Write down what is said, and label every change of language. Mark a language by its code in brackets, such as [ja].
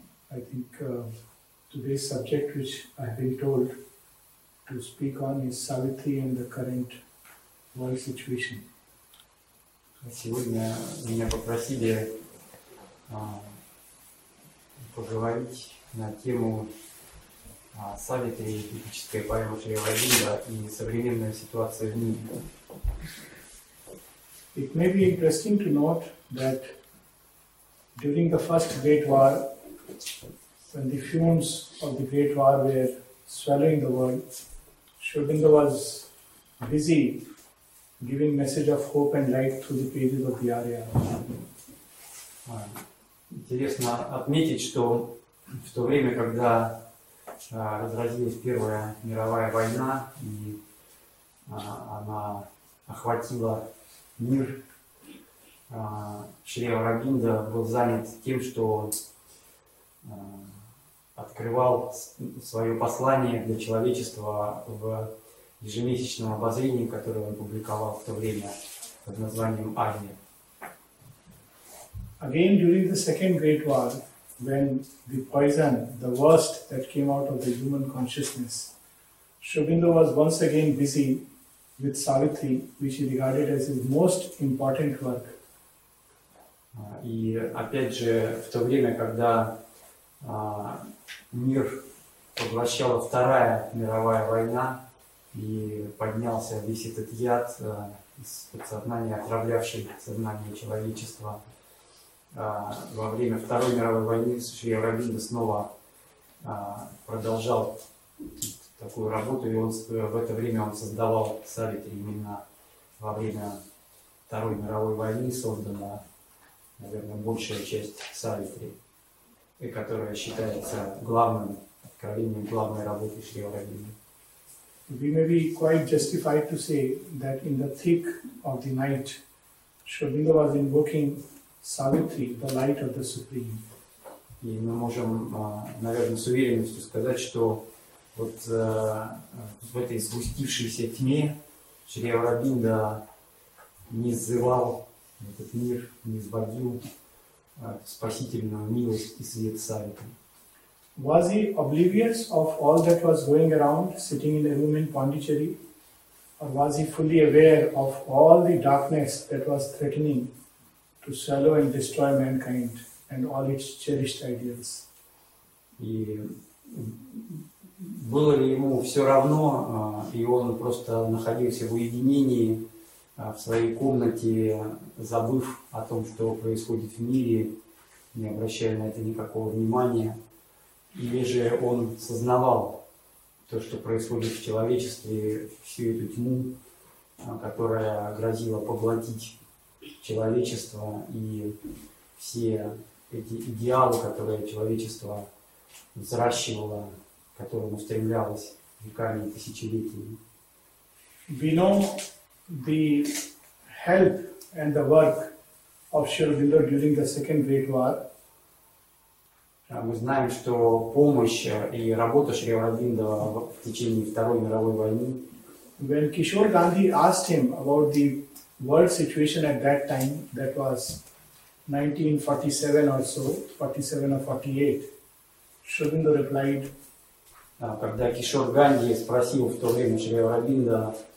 [en] I think today's subject, which I've been told to speak on, is Savitri and the current world situation. [ru] Сегодня меня попросили поговорить на тему Савитри, эпической поэмы Шри Аурабинда и современной ситуации в мире. [en] It may be interesting to note that during the first Great War, when the fumes of the Great War were swallowing the world, Shobhinda was busy giving message of hope and light through the pages of the Arya. [ru] Интересно отметить, что в то время, когда разразилась Первая мировая война и она охватила мир, Шри Аурабинда был занят тем, что открывал свое послание для человечества в ежемесячном обозрении, которое он публиковал в то время под названием Агни. [en] Again, during the Second Great War, when the poison, the worst that came out of the human consciousness, Shobhinda was once again busy with Savitri, which he regarded as his most important work. [ru] И опять же, в то время, когда мир поглощала Вторая мировая война и поднялся весь этот яд из подсознания, отравлявший сознание человечества, во время Второй мировой войны Шри Аурабинда снова продолжал такую работу, и он в это время он создавал Савитри, именно во время Второй мировой войны создана, наверное, большая часть Савитри, и которая считается главным откровением, главной работой Шри Аурабинды. [en] We may be quite justified to say that in the thick of the night, Shobhinda was invoking Savitri, the light of the Supreme. [ru] И мы можем, наверное, с уверенностью сказать, что вот в этой сгустившейся тьме Шри Аурабинда не взывал этот мир, не взводил спасительную милость и свет Савитри. [en] Was he oblivious of all that was going around, sitting in a room in Pondicherry? Or was he fully aware of all the darkness that was threatening to swallow and destroy mankind and all its cherished ideals? [ru] И было ли ему все равно, и он просто находился в уединении в своей комнате, забыв о том, что происходит в мире, не обращая на это никакого внимания? Или же он сознавал то, что происходит в человечестве, всю эту тьму, которая грозила поглотить человечество и все эти идеалы, которые человечество взращивало, к которым устремлялось веками и тысячелетиями. [en] We know the help and the work of Shri Aurobindo during the Second Great War. [ru] Мы знаем, что помощь и работа Шри Аурабинда в течение Второй мировой войны. [en] When Kishore Gandhi asked him about the world situation at that time, that was 1947 or so, 47 or 48, Шри Аурабинда replied. [ru] Когда Кишор Ганди спросил в то время Шри Аурабинда,